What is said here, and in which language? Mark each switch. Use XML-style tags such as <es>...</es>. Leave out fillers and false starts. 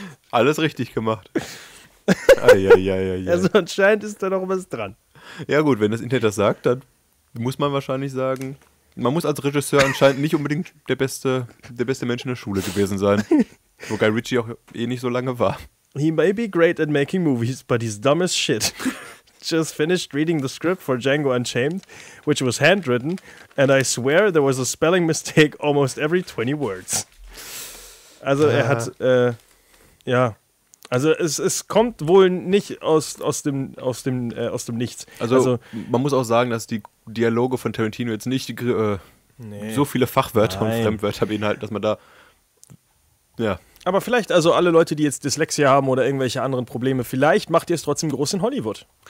<de>Alles richtig gemacht. Eieieiei. Also anscheinend ist da noch was dran. Ja gut, wenn das Internet das sagt, dann muss man wahrscheinlich sagen... Man muss als Regisseur anscheinend nicht unbedingt der beste Mensch in der Schule gewesen sein. Wo Guy Ritchie auch eh nicht so lange war.</de> <en>He may be great at making movies, but he's dumb as shit. Just finished reading the script for Django Unchained, which was handwritten, and I swear there was a spelling mistake almost every 20 words.</en> <de>Also er hat, ja... Also es kommt wohl nicht aus dem Nichts. Also man muss auch sagen, dass die Dialoge von Tarantino jetzt nicht so viele Fachwörter und Fremdwörter beinhalten, dass man da, ja. Aber vielleicht also alle Leute, die jetzt Dyslexie haben oder irgendwelche anderen Probleme, vielleicht macht ihr es trotzdem groß in Hollywood.</de>